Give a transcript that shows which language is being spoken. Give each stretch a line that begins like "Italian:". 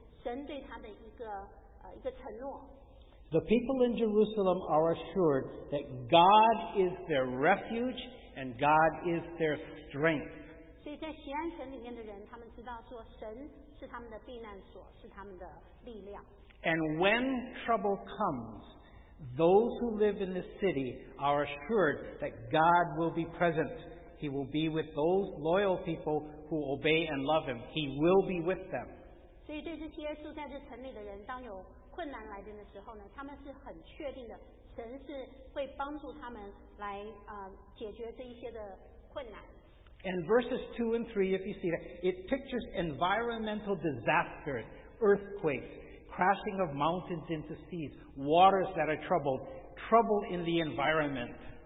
Chinese: 所以它这个呢，是在写有关于耶路撒冷城、锡安城，它是神对它的一个承诺。
English: The people in Jerusalem are assured that God is their refuge and God is their strength.
Chinese: 所以在锡安城里面的人，他们知道说神是他们的避难所，是他们的力量。
English: And when trouble comes, those who live in the city are assured that God will be present. He will be with those loyal people who obey and love Him. He will be with them.
Chinese: 所以对这些住在这城里的人，当有 困难来临的时候呢，他们是很确定的，神是会帮助他们来解决这一些的困难。And
English: verses 2 and 3, if you see that, it pictures environmental disasters, earthquakes, crashing of mountains into seas, waters that are troubled, trouble in the environment.